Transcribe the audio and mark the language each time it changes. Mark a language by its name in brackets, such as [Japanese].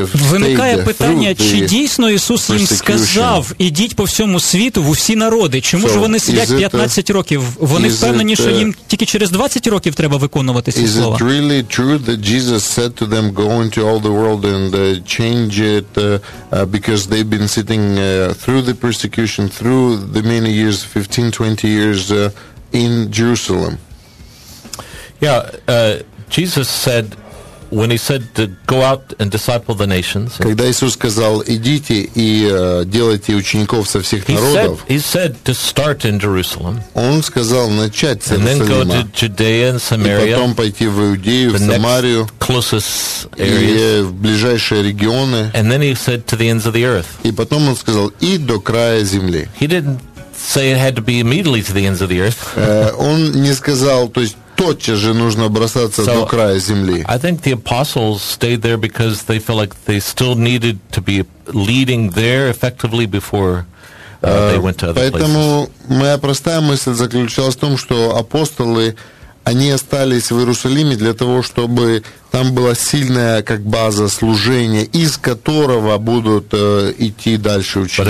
[Ukrainian] виникає питання, чи дійсно Ісус їм сказав, ідіть по всьому світу, в усі народи. Чому ж вони сидять 15 років? Вони впевнені, що їм тільки через 20 років треба виконувати ці слова. [English] Is it really true that Jesus said to them, go into all the world and change it, because they've been sitting through the persecution, through the many years, 15-20 years in Jerusalem? Yeah, Jesus said, when he said to go out and disciple the nations, [Russian] когда Иисус сказал, идите и делайте учеников со всех народов, [English] he said to start in Jerusalem, [Russian] он сказал начать с Иерусалима, [English] and then go to Judea and Samaria, [Russian] и потом пойти в Иудею, в Самарию, [English] closest areas, [Russian] и в ближайшие регионы, [English] and then he said to the ends of the earth, [Russian] и потом он сказал, и до края земли. [English] He didn't say it had to be immediately to the ends of the earth. [Russian] Он не сказал, то есть тотчас же нужно бросаться до края земли. [English] I think the apostles stayed there because they felt like they still needed to be leading there effectively before they went to other places. [Russian] Поэтому моя простая мысль заключалась в том, что апостолы, они остались в Иерусалиме для того, чтобы там была сильная как база служения, из которого будут идти дальше ученики.